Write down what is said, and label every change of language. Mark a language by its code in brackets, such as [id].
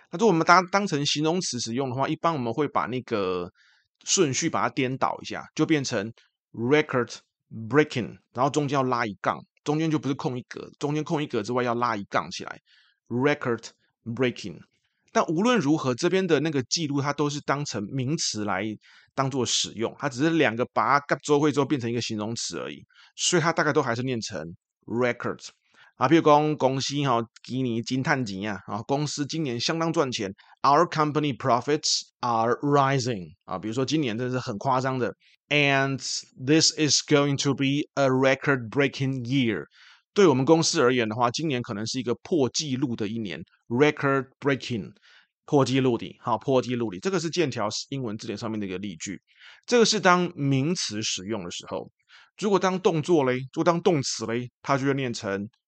[zh] 那如果我们当成形容词使用的话，一般我们会把那个顺序把它颠倒一下，就变成 record breaking， 然后中间要拉一杠，中间就不是空一格，中间空一格之外要拉一杠起来 record breaking。但无论如何，这边的那个记录它都是当成名词来当做使用，它只是两个把它合在一起之后变成一个形容词而已，所以它大概都还是念成 record。啊，譬如讲公司哈，今年真赚钱啊！啊，公司今年相当赚钱， [en] Our company profits are rising。 [zh] 啊，比如说今年真是很夸张的， [en] And this is going to be a record-breaking year。 [zh] 对我们公司而言的话，今年可能是一个破纪录的一年，record-breaking，破纪录的，好，破纪录的。这个是剑桥英文字典上面的一个例句，这个是当名词使用的时候。如果当动作嘞，如果当动词嘞，它就会念成。